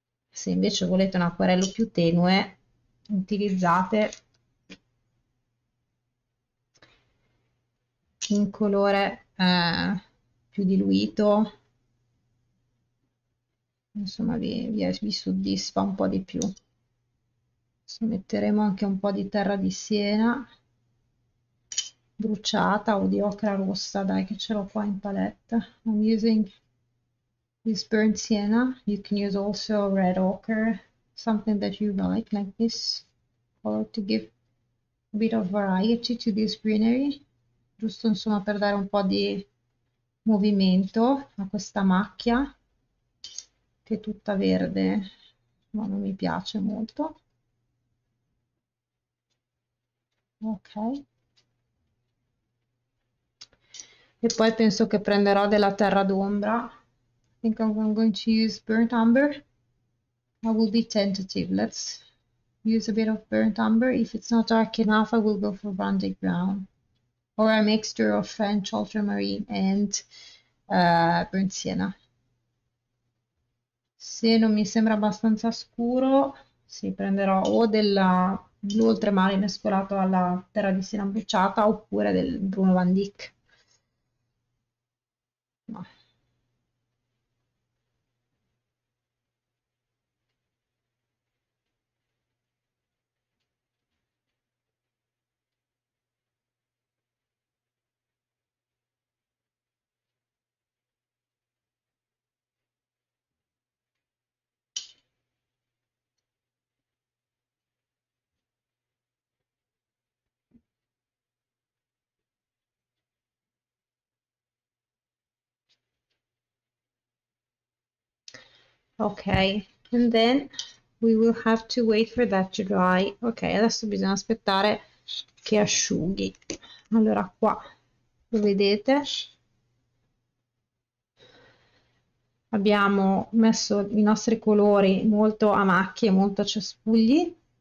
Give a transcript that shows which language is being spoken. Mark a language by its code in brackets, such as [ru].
[it] Se invece volete un acquerello più tenue, utilizzate un colore più diluito, insomma vi soddisfa un po' di più. Adesso metteremo anche un po' di terra di Siena bruciata o di ocra rossa, dai che ce l'ho qua in palette. [en] I'm using this burnt sienna. You can use also red ochre, something that you like this. Or to give a bit of variety to this greenery, [it] giusto insomma per dare un po' di movimento a questa macchia che è tutta verde, ma non mi piace molto. Ok. E poi penso che prenderò della terra d'ombra. [en] I think I'm going to use burnt umber. I will be tentative. Let's use a bit of burnt umber. If it's not dark enough, I will go for Van Dyck Brown or a mixture of French ultramarine and Siena. [it] Se non mi sembra abbastanza scuro, sì, prenderò o della blu oltremare mescolato alla terra di Siena bruciata oppure del Bruno Van Dyck. No. [en] Ok, and then we will have to wait for that to dry. [it] Ok, adesso bisogna aspettare che asciughi. Allora, qua lo vedete. Abbiamo messo i nostri colori molto a macchie, molto a cespugli.